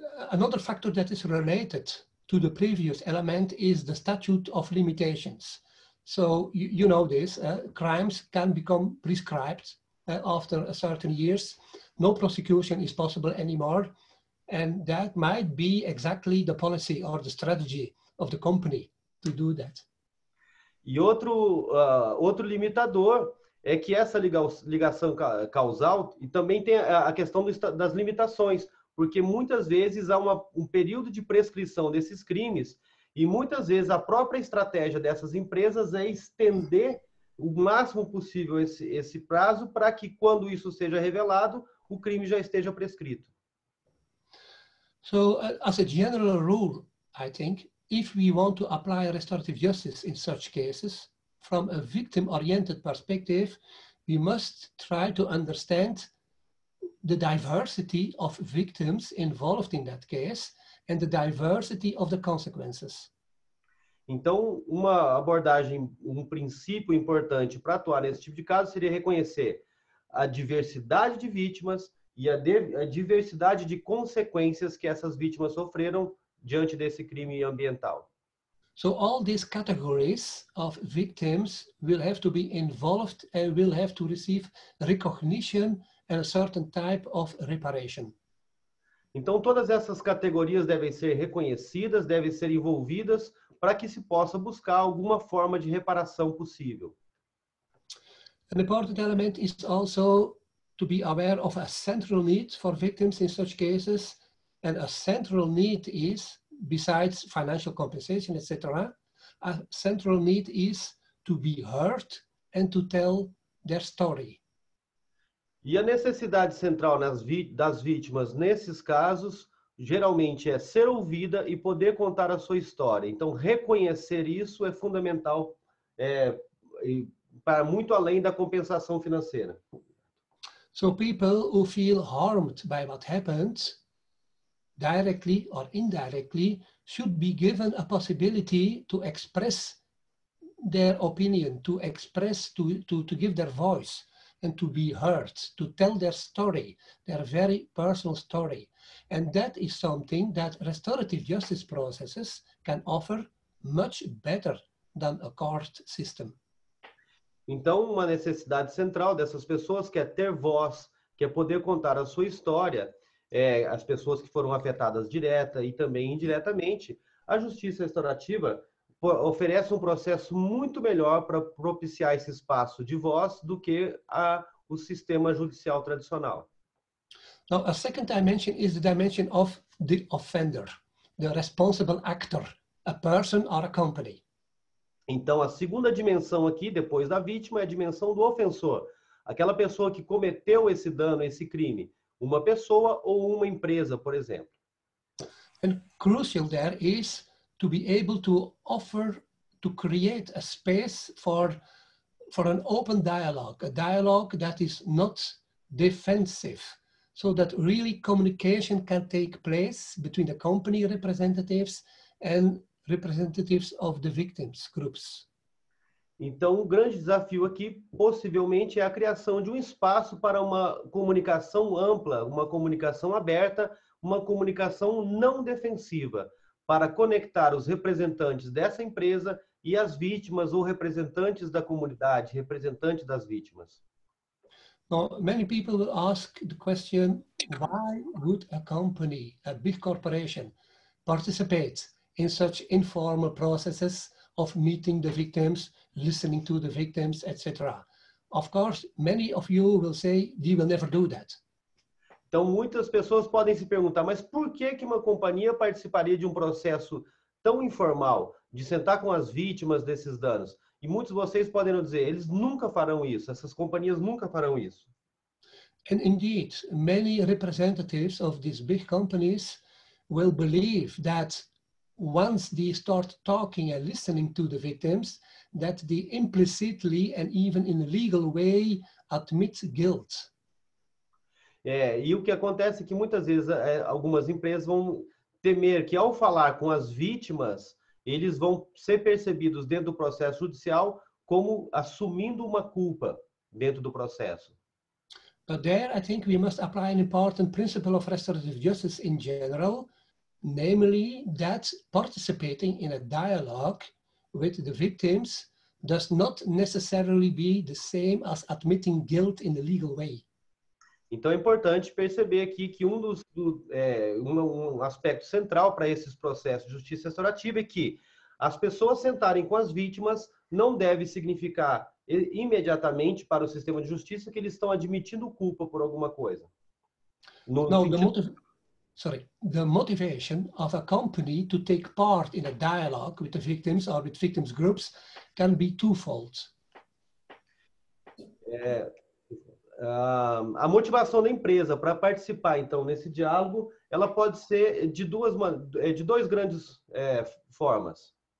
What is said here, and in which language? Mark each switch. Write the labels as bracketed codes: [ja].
[en] Another factor that is related to the previous element is the statute of limitations. So you know this, crimes can become prescribed after a certain years. No prosecution is possible anymore. And that might be exactly the policy or the strategy of the company to do that. [pt] E outro limitador é que essa ligação causal, e também tem a questão das limitações, porque muitas vezes há um período de prescrição desses crimes e muitas vezes a própria estratégia dessas empresas é estender o máximo possível esse prazo para que quando isso seja revelado, o crime já esteja prescrito. [en] So, as a general rule, I think, if we want to apply restorative justice in such cases, from a victim-oriented perspective, we must try to understand the diversity of victims involved in that case and the diversity of the consequences. [pt] Então, uma abordagem, um princípio importante para atuar nesse tipo de caso seria reconhecer a diversidade de vítimas e a diversidade de consequências que essas vítimas sofreram diante desse crime ambiental. [en] So all these categories of victims will have to be involved and will have to receive recognition and a certain type of reparation. [pt] Então todas essas categorias devem ser reconhecidas, devem ser envolvidas para que se possa buscar alguma forma de reparação possível. [en] An important element is also to be aware of a central need for victims in such cases, and a central need is, besides financial compensation, etc., a central need is to be heard and to tell their story. [pt] E a necessidade central das vítimas nesses casos, geralmente, é ser ouvida e poder contar a sua história. Então, reconhecer isso é fundamental para muito além da compensação financeira. [en] So people who feel harmed by what happened, directly or indirectly, should be given a possibility to express their opinion, to express, to give their voice and to be heard, to tell their story, their very personal story. And that is something that restorative justice processes can offer much better than a court system. [pt] Então, uma necessidade central dessas pessoas que é ter voz, que é poder contar a sua história, as pessoas que foram afetadas direta e também indiretamente, a justiça restaurativa oferece um processo muito melhor para propiciar esse espaço de voz do que o sistema judicial tradicional. [en] Now, a second dimension is the dimension of the offender, the responsible actor, a person or a company. [pt] Então, a segunda dimensão aqui, depois da vítima, é a dimensão do ofensor. Aquela pessoa que cometeu esse dano, esse crime. Uma pessoa ou uma empresa, por exemplo. [en] And crucial there is to be able to offer, to create a space for an open dialogue. A dialogue that is not defensive. So that really communication can take place between the company representatives and representatives of the victims groups. [pt] Então, o grande desafio aqui, possivelmente, é a criação de um espaço para uma comunicação ampla, uma comunicação aberta, uma comunicação não defensiva, para conectar os representantes dessa empresa e as vítimas ou representantes da comunidade, representantes das vítimas. [en] Now, many people will ask the question, why would a company, a big corporation, participate in such informal processes of meeting the victims, listening to the victims, etc. Of course, many of you will say, we will never do that. [pt] Então, muitas pessoas podem se perguntar, mas por que que uma companhia participaria de um processo tão informal, de sentar com as vítimas desses danos? E muitos de vocês poderão dizer, eles nunca farão isso, essas companhias nunca farão isso. [en] And indeed, many representatives of these big companies will believe that once they start talking and listening to the victims, that they implicitly and even in a legal way admit guilt. [pt] E o que acontece é que muitas vezes algumas empresas vão temer que ao falar com as vítimas, eles vão ser percebidos dentro do processo judicial como assumindo uma culpa dentro do processo. [en] But there I think we must apply an important principle of restorative justice in general, namely that participating in a dialogue with the victims does not necessarily be the same as admitting guilt in the legal way. [pt] Então é importante perceber aqui que um aspecto central para esses processos de justiça restaurativa é que as pessoas sentarem com as vítimas não deve significar imediatamente para o sistema de justiça que eles estão admitindo culpa por alguma coisa. [en] The motivation of a company to take part in a dialogue with the victims or with victims groups can be twofold. [pt] A motivação da empresa para participar, então, nesse diálogo, ela pode ser de duas grandes formas.